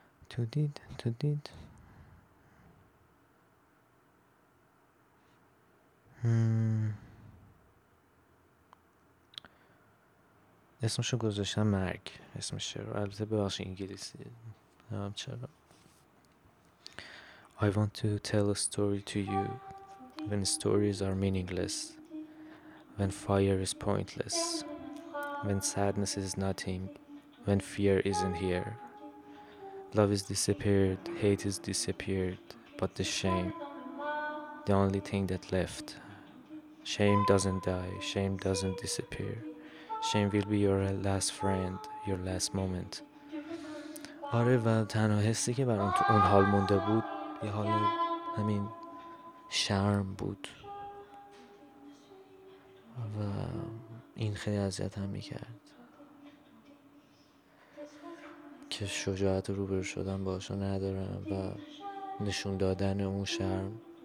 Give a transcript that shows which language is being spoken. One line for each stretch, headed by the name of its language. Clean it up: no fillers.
Persian: تو دید اسمشو گذاشتم مرگ، اسمش رو البته ببخش انگلیسی نام چرا.
English: I want to tell a story to you when stories are meaningless, when fire is pointless, when sadness is nothing, when fear isn't here. Love is disappeared, hate is disappeared, but the shame, the only thing that left. Shame doesn't die, shame doesn't disappear. Shame will be your last friend, your last moment.
Persian: آره و تنها حسی که برام تو اون حال مونده بود یه حال همین شرم بود و این خیلی اذیت هم میکرد که شجاعت روبرو شدن باهاش ندارم و نشون دادن اون شرم.